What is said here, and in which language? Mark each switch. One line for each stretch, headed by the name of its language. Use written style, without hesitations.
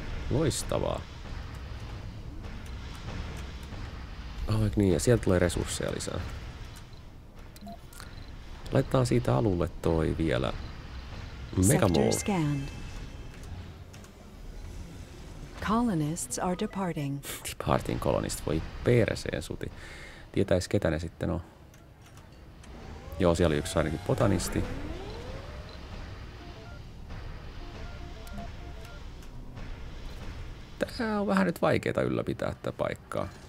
Finnish: Loistavaa. Vaikka niin, ja sieltä tulee resursseja lisää. Laitetaan siitä alulle toi vielä Mega Mall.
English: Colonists are departing. Departing colonist,
Finnish: voi perseen suti. Tietäis ketä ne sitten on. Joo, siellä oli yksi ainakin botanisti. Tää on vähän nyt vaikeeta ylläpitää tätä paikkaa.